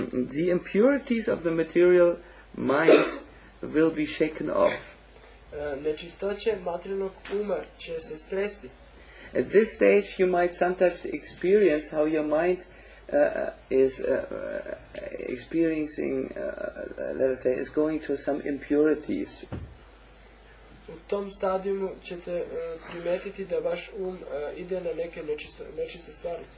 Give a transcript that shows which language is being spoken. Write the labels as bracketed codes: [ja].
[en] The impurities of the material mind will be shaken off. [sr] Nečistoće materijalnog uma će se stresti. [en] At this stage you might sometimes experience how your mind is experiencing let us say is going through some impurities. [sr] U tom stadiju ćete primetiti da vaš um ide na neke nečiste stvari.